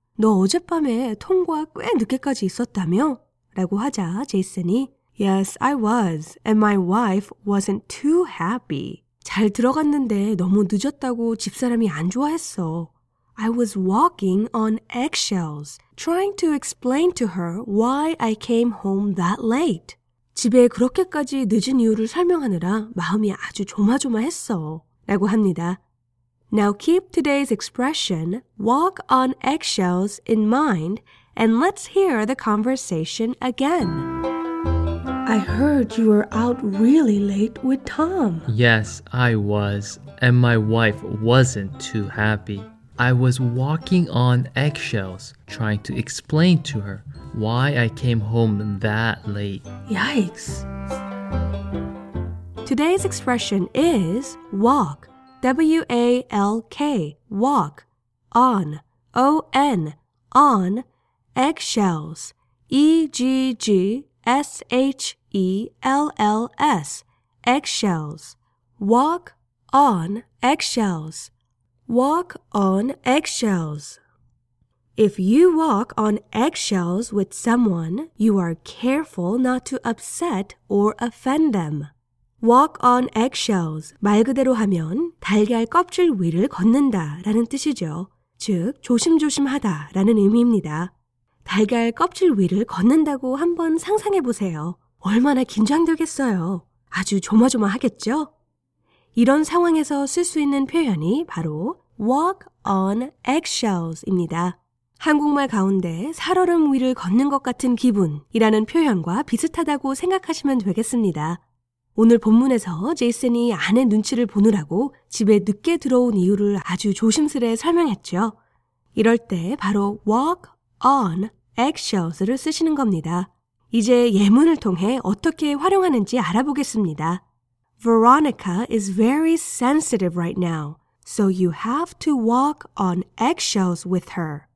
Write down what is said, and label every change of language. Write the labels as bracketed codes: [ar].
[ko] 너 어젯밤에 톰과 꽤 늦게까지 있었다며? 라고 하자 제이슨이 [en] Yes, I was, and my wife wasn't too happy. [ko] 잘 들어갔는데 너무 늦었다고 집사람이 안 좋아했어. [en] I was walking on eggshells, trying to explain to her why I came home that late. [ko] 집에 그렇게까지 늦은 이유를 설명하느라 마음이 아주 조마조마했어 라고 합니다. [en] Now keep today's expression, walk on eggshells, in mind, and let's hear the conversation again. I heard you were out really late with Tom. Yes, I was, and my wife wasn't too happy. I was walking on eggshells, trying to explain to her why I came home that late. Yikes! Today's expression is walk, W-A-L-K, walk, on, O-N, on, eggshells, E-G-G-S-H-E-L-L-S, eggshells, walk on eggshells. Walk on eggshells. If you walk on eggshells with someone, you are careful not to upset or offend them. Walk on eggshells. [ko] 말 그대로 하면 달걀 껍질 위를 걷는다 라는 뜻이죠. 즉, 조심조심하다 라는 의미입니다. 달걀 껍질 위를 걷는다고 한번 상상해 보세요. 얼마나 긴장되겠어요. 아주 조마조마하겠죠? 이런 상황에서 쓸 수 있는 표현이 바로 walk on eggshells입니다. 한국말 가운데 살얼음 위를 걷는 것 같은 기분이라는 표현과 비슷하다고 생각하시면 되겠습니다. 오늘 본문에서 제이슨이 아내 눈치를 보느라고 집에 늦게 들어온 이유를 아주 조심스레 설명했죠. 이럴 때 바로 walk on eggshells를 쓰시는 겁니다. 이제 예문을 통해 어떻게 활용하는지 알아보겠습니다. [en] Veronica is very sensitive right now, so you have to walk on eggshells with her.